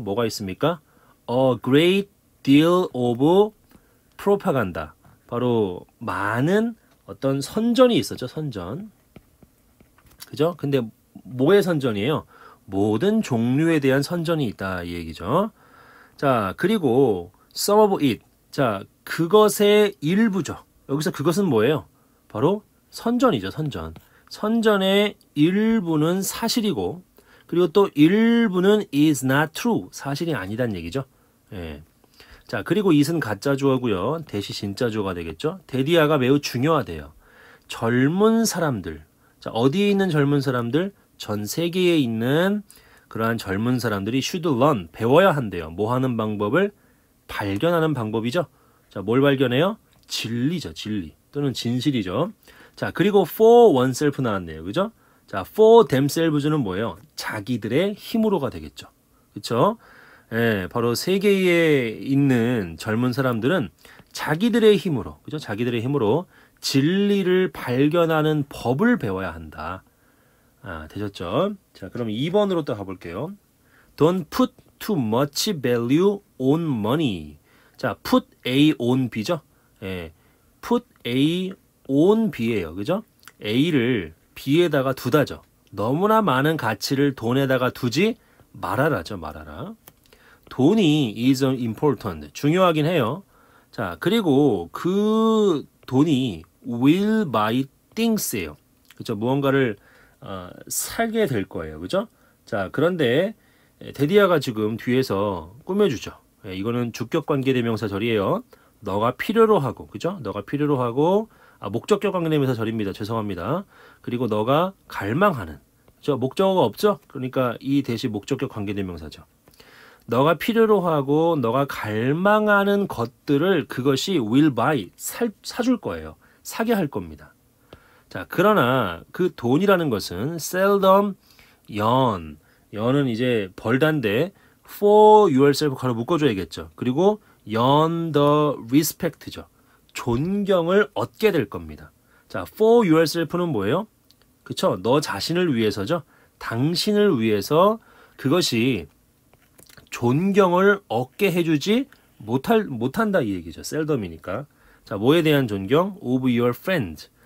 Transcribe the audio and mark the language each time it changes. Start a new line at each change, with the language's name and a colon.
Korean: 뭐가 있습니까?
English: A great deal of propaganda.
Korean: 바로 많은 어떤 선전이 있었죠. 선전. 그죠? 근데 뭐의 선전이에요? 모든 종류에 대한 선전이 있다 이 얘기죠. 자, 그리고
English: some of it.
Korean: 자, 그것의 일부죠. 여기서 그것은 뭐예요? 바로 선전이죠. 선전. 선전의 일부는 사실이고, 그리고 또 일부는
English: is not true.
Korean: 사실이 아니다는 얘기죠. 예. 자, 그리고 it은 가짜 주어고요. 대시 진짜 주어가 되겠죠. 데디아가 매우 중요하대요. 젊은 사람들. 자, 어디에 있는 젊은 사람들? 전 세계에 있는 그러한 젊은 사람들이
English: should learn,
Korean: 배워야 한대요. 뭐 하는 방법을? 발견하는 방법이죠. 자, 뭘 발견해요? 진리죠. 진리. 또는 진실이죠. 자, 그리고 for oneself 나왔네요. 그죠? 자, for themselves는 뭐예요? 자기들의 힘으로가 되겠죠. 그쵸? 예, 바로 세계에 있는 젊은 사람들은 자기들의 힘으로, 그죠? 자기들의 힘으로 진리를 발견하는 법을 배워야 한다. 아, 되셨죠? 자, 그럼 2번으로 또 가볼게요.
English: Don't put too much value on money. 자, put A on B죠? 예, put A on B예요.
Korean: 그죠? A를 B에다가 두다죠. 너무나 많은 가치를 돈에다가 두지 말아라죠. 말아라. 돈이
English: is important.
Korean: 중요하긴 해요. 자, 그리고 그 돈이
English: will buy things
Korean: 예요. 그죠? 무언가를 살게 될 거예요. 그죠? 자, 그런데 데디아가 지금 뒤에서 꾸며주죠. 예, 이거는 주격관계대명사 절이에요. 너가 필요로 하고, 그죠? 너가 필요로 하고, 아, 목적격관계대명사 절입니다. 죄송합니다. 그리고 너가 갈망하는, 그죠? 목적어가 없죠? 그러니까 이 대신 목적격관계대명사죠. 너가 필요로 하고, 너가 갈망하는 것들을 그것이
English: will buy,
Korean: 사줄 거예요. 사게 할 겁니다. 자, 그러나 그 돈이라는 것은
English: seldom yearn.
Korean: yearn은 이제 벌단데
English: for yourself
Korean: 가로 묶어줘야겠죠.
English: 그리고 yearn the respect죠.
Korean: 존경을 얻게 될 겁니다. 자, for yourself는 뭐예요? 그쵸? 너 자신을 위해서죠. 당신을 위해서 그것이 존경을 얻게 해주지 못한다 이 얘기죠. seldom이니까. 자, 뭐에 대한 존경?
English: of your friends.